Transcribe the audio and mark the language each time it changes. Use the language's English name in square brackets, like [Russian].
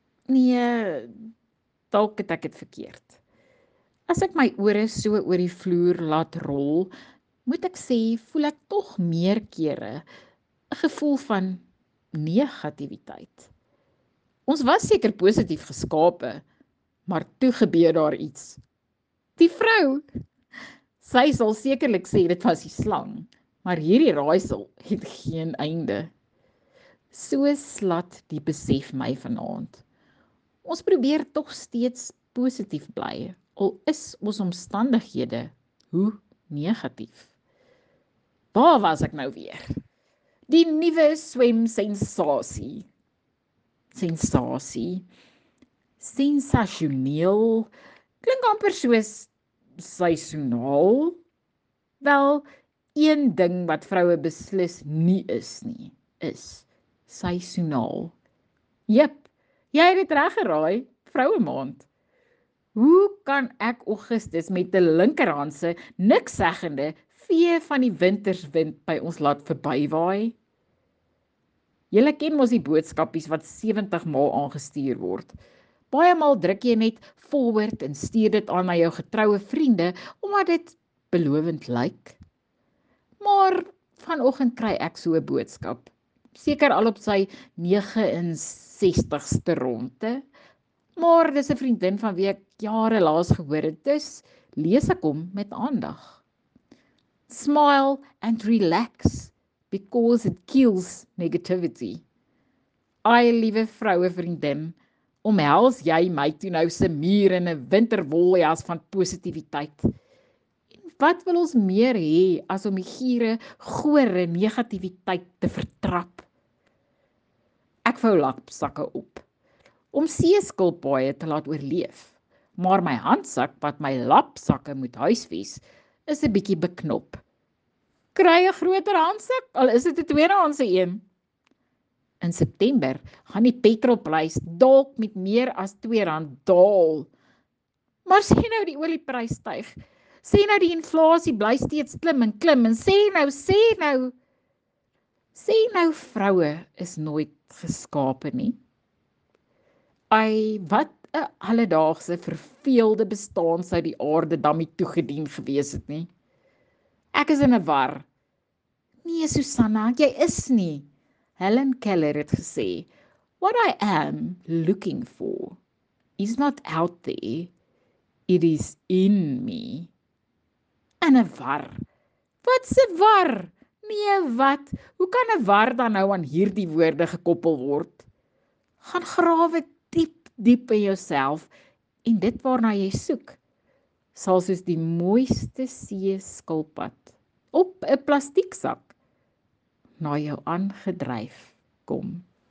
[Afrikaans] Nee, dalk het ek dit verkeerd. As ek my ore so oor die vloer laat rol, moet ek sê, voel ek tog meer kere 'n gevoel van negativiteit. Ons was seker positief geskape, maar toe gebeur daar iets. Die vrou, sy sal sekerlik sê dit was die slang, maar hierdie raaisel het geen einde. So slat die besef my vanaand. Ons probeer tog steeds positief bly, al is ons omstandighede hoe negatief. Waar was ek nou weer? Die nuwe swem sensasie. Sensasie. Sensasioneel. Klink amper soos seisoenaal. Wel, een ding wat vroue beslis nie is nie, is seisoenaal. Jep, jy het dit reg geraai, vrouemaand. Hoe kan ek Augustus met 'n linkerhandse niks seggende vee van die winterswind by ons laat verbywaai? Julle ken mos die boodskapies wat 70 maal aangestuur word. Baie maal druk jy net forward en stuur dit aan na jou getroue vriende, omdat dit belovend lyk. Maar vanoggend kry ek so 'n boodskap. Seker al op sy 69ste ronde. Maar dis 'n vriendin van wie ek jare laas gehoor het, dus lees ek hom met aandag. [English] Smile and relax, because it kills negativity. [Afrikaans] Ai, liewe vroue vriendin, omhels jy my toe nou se muur in 'n winterwoljas van positiwiteit. En wat wil ons meer hê as om die gure, gore negativiteit te vertrap? Ek vou lapsakke op, om seeskilpaaie te laat oorleef. Maar my handsak wat my lapsakke moet huisves, is 'n bietjie beknop. Kry 'n groter handsak, al is dit 'n tweedehandse een. In September gaan die petrolprys dalk met meer as R2 daal. Maar sê nou die olieprys styg. Sê nou die inflasie bly steeds klim en klim en sê nou vroue is nooit geskape nie. Ai, wat 'n alledaagse verveelde bestaan sou die aarde dammie toegedien gewees het nie. Ek is in 'n war. Nee, Susanna, jy is nie. [English] Helen Keller [Afrikaans] het gesê, [English] "What I am looking for is not out there, it is in me." [Afrikaans] In 'n war. Wat 'n war? Nee, wat? Hoe kan 'n war dan nou aan hierdie woorde gekoppel word? Gaan grawe diep in jouself en dit waarna jy soek, sal soos die mooiste see skulpad op 'n plastieksak na jou aangedryf kom.